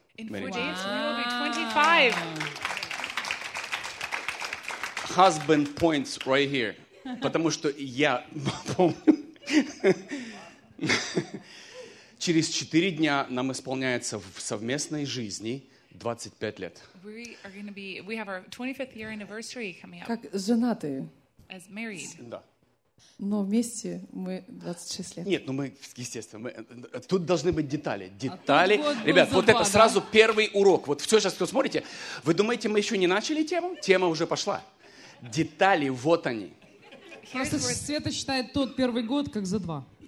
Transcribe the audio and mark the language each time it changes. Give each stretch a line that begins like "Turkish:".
English: In 4 days, we'll be 25. Husband points right here.
Russian: Потому что я помню... Через 4 дня нам исполняется в совместной жизни 25 лет.
English: We have our 25th year anniversary coming up.
Russian: Как женатые.
English: As married.
Russian: Да. Но вместе мы 26 лет. Нет, естественно, тут должны быть детали. Детали. А ребят, забава. Вот это сразу первый урок. Вот все сейчас, кто смотрите, вы думаете, мы еще не начали тему? Тема уже пошла. Детали, вот они. Просто Света считает тот первый год, как за два.